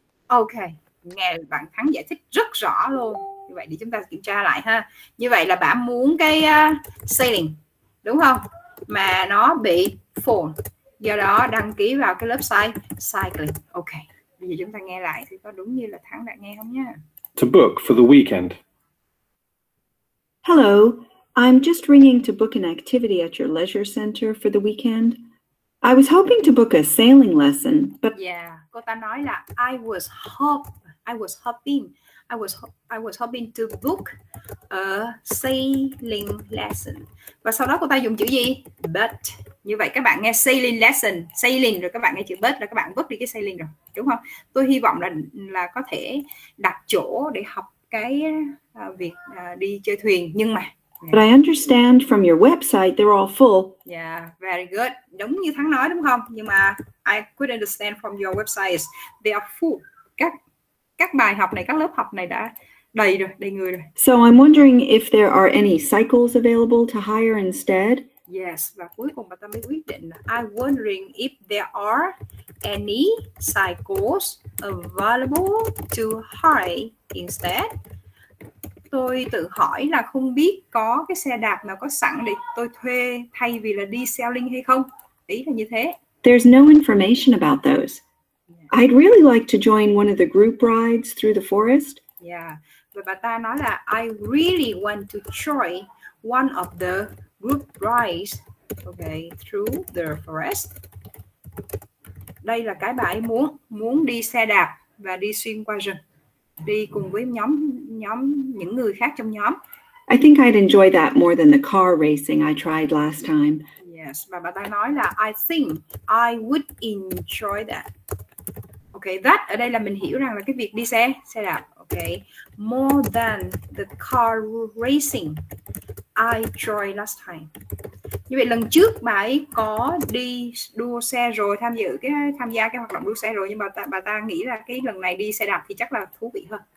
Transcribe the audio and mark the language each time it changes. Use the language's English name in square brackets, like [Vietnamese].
[Vietnamese] Ok, nghe bạn Thắng giải thích rất rõ luôn. Như vậy để chúng ta kiểm tra lại ha. Như vậy là bà muốn cái sailing đúng không? Mà nó bị full, do đó đăng ký vào cái lớp cycling. Ok, bây giờ chúng ta nghe lại thì có đúng như là Thắng đã nghe không nhá. [English] To book for the weekend. Hello, I'm just ringing to book an activity at your leisure center for the weekend. I was hoping to book a sailing lesson, but yeah, [Vietnamese] cô ta nói là [English] I was hoping to book a sailing lesson. [Vietnamese] Và sau đó cô ta dùng chữ gì? But. Như vậy các bạn nghe sailing lesson, sailing rồi các bạn nghe chữ but là các bạn book đi cái sailing rồi, đúng không? Tôi hy vọng là có thể đặt chỗ để học cái việc đi chơi thuyền, nhưng mà [English] but I understand from your website they're all full. Yeah, very good. [Vietnamese] Đúng như Thắng nói đúng không? Nhưng mà [English] I could understand from your website they are full. [Vietnamese] Các bài học này, các lớp học này đã đầy rồi, đầy người rồi. [English] So I'm wondering if there are any cycles available to hire instead. [Vietnamese] Yes, và cuối cùng bà ta mới quyết định. [English] I'm wondering if there are any cycles available to hire instead. [Vietnamese] Tôi tự hỏi là không biết có cái xe đạp nào có sẵn để tôi thuê thay vì là đi sailing hay không. Ý là như thế. [English] There's no information about those. I'd really like to join one of the group rides through the forest. Yeah, [Vietnamese] và bà ta nói là [English] I really want to join one of the group rides, okay, through the forest. [Vietnamese] Đây là cái bà ấy muốn đi xe đạp và đi xuyên qua rừng, đi cùng với nhóm những người khác trong nhóm. [English] I think I'd enjoy that more than the car racing I tried last time. Yes, [Vietnamese] và bà ta nói là [English] I think I would enjoy that. [Vietnamese] Okay, that ở đây là mình hiểu rằng là cái việc đi xe đạp, okay, [English] more than the car racing I tried last time. [Vietnamese] Như vậy lần trước bà ấy có đi đua xe rồi, tham gia cái hoạt động đua xe rồi, nhưng mà bà ta nghĩ là cái lần này đi xe đạp thì chắc là thú vị hơn.